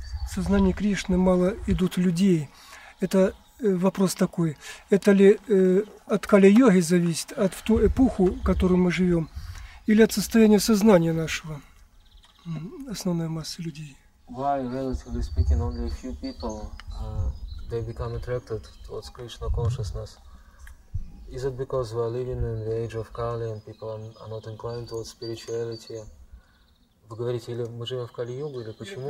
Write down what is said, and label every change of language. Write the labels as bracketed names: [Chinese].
[Russian] сознании Кришны мало идут людей. Это вопрос такой. Это ли от кали-йоги зависит, от в ту эпоху, в которой мы живем, или от состояния сознания нашего, основная масса людей? [English] Why, relatively speaking, only a few people they become attracted towards Krishna consciousness? Is it because we are living in the age of Kali and people are not inclined towards spirituality? [Russian] Вы говорите, или мы живем в кали-йогу, или почему?